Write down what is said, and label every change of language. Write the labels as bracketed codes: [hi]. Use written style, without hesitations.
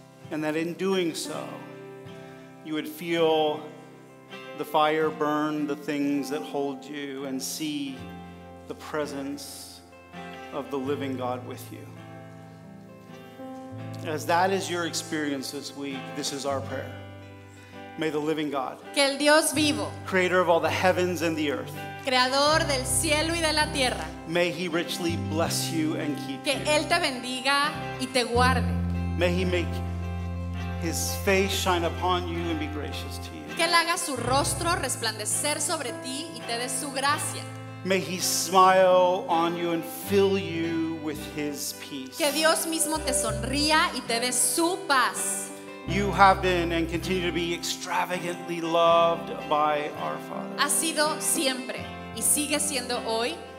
[en] And that in doing so, you would feel the fire burn the things that hold you and see the presence of the living God with you. As that is your experience this week, this is our prayer. May the living God, [es] que el Dios vivo, [en] creator of all the heavens and the earth, [es] creador del cielo y de la tierra, [en] may He richly bless you and keep [es] que [en] you. [es] Él te bendiga y te guarde. [en] May He make His face shine upon you and be gracious to you. [es] Que él haga su rostro resplandecer sobre ti y te dé su gracia. [en] May He smile on you and fill you with His peace. [es] Que Dios mismo te sonría y te dé su paz. [en] You have been and continue to be extravagantly loved by our Father. [es] Ha sido siempre y sigue siendo hoy